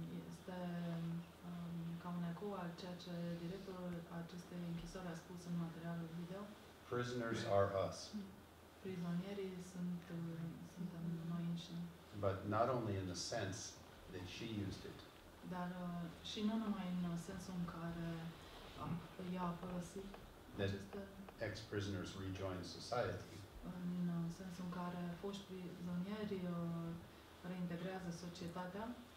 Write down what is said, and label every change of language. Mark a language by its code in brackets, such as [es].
[ro] Este ca un ecou al ceea ce directorul acestei închisori a spus în materialul video. [en] Prisoners are us. [ro] Prizonierii suntem noi înșine. [en] But not only in the sense that she used it. [ro] Dar și nu numai în sensul în care ea a folosit [en] that ex-prisoners rejoin society. [ro] În sensul în care foști prizonieri reintegrează societatea.